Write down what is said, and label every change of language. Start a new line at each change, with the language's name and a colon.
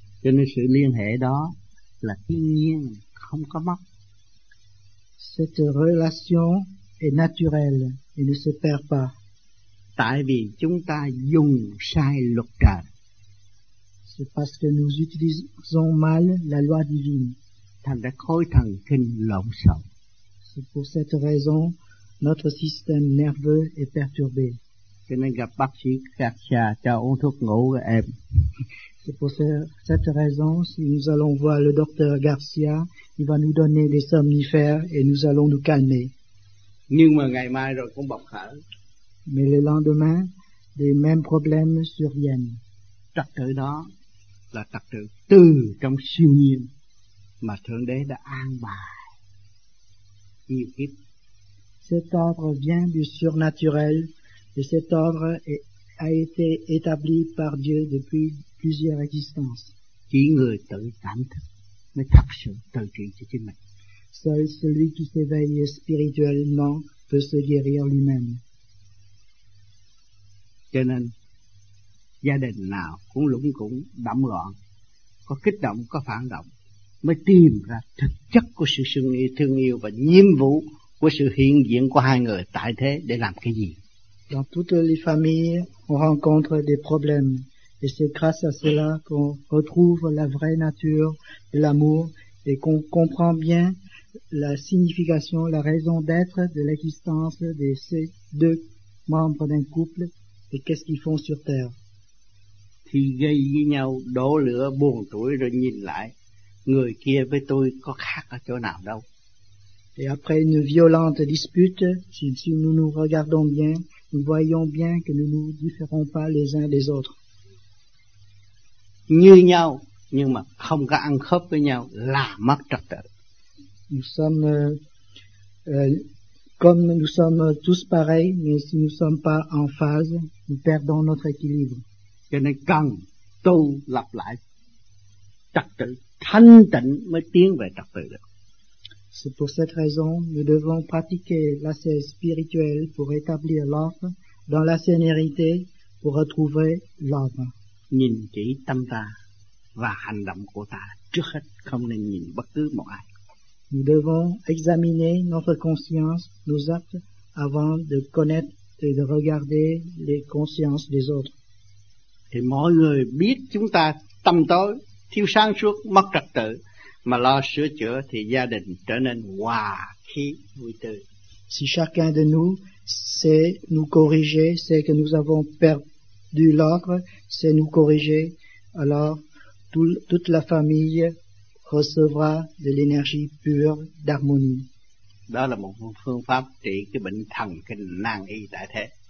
Vietnamese: Cho nên sự liên hệ đó là thiên nhiên, không có mất.
French: Cette relation est naturelle et ne se perd pas.
Vietnamese: Tại vì chúng ta dùng sai luật trời.
French: C'est parce que nous utilisons mal la loi divine.
Vietnamese: Thành ra khối thần kinh lộn xộn.
French: C'est pour cette raison notre système nerveux est perturbé.
Vietnamese: Cho nên gặp bác sĩ các cha cho uống thuốc ngủ em.
French: C'est pour cette raison si nous allons voir le docteur Garcia, il va nous donner des somnifères et nous allons nous calmer.
Vietnamese: Nhưng mà ngày mai rồi cũng bộc khởi.
French: Mais le lendemain, les mêmes problèmes surviennent.
Vietnamese: Trật tự đó là trật tự từ trong siêu nhiên mà Thượng Đế đã an bài nhiều kiếp.
French: Cet ordre vient du surnaturel et cet ordre a été établi par Dieu depuis plusieurs existences.
Vietnamese: Chỉ người tự cảm thức mới thật sự tự trị cho chính mình.
French: Seul celui qui s'éveille spirituellement peut se guérir lui-même.
Vietnamese: Cho nên gia đình nào cũng lũng củng đậm loạn, có kích động, có phản động, mới tìm ra thực chất của sự thương yêu và nhiệm vụ của sự hiện diện của hai người tại thế để làm cái gì.
French: Dans toutes les familles, on rencontre des problèmes, et c'est grâce à cela qu'on retrouve la vraie nature de l'amour et qu'on comprend bien la signification, la raison d'être de l'existence de ces deux membres d'un couple et qu'est-ce qu'ils font sur terre.
Vietnamese: Thì gây với nhau đổ lửa buồn tuổi rồi nhìn lại người kia với tôi có khác ở chỗ nào đâu.
French: Et après une violente dispute, si nous nous regardons bien, nous voyons bien que nous nous différons pas les uns des autres.
Vietnamese: Như nhau nhưng mà không có ăn khớp với nhau là mất trật tự.
French: nous sommes comme nous sommes tous pareils, mais si nous ne sommes pas en phase, nous perdons notre équilibre.
Vietnamese: Cho nên cần tu lập lại trật tự, thanh tịnh mới tiến về trật tự được.
French: C'est pour cette raison que nous devons pratiquer l'ascèse spirituelle pour établir l'ordre dans la sérénité pour retrouver l'ordre.
Vietnamese: Nhìn kỹ tâm ta và hành động của ta trước hết, không nên nhìn bất cứ một ai.
French: Nous devons examiner notre conscience, nos actes, avant de connaître et de regarder les consciences des autres.
Vietnamese: Thì mọi người biết chúng ta tâm tối, thiếu sáng suốt, mất trật tự, mà lo sửa chữa thì gia đình trở nên hòa khí vui tươi.
French: Si chacun de nous sait nous corriger, sait que nous avons perdu l'ordre, sait nous corriger, alors toute la famille recevra de l'énergie pure d'harmonie.
Vietnamese: Đó là một phương pháp trị cái bệnh thần kinh nan y tại thế.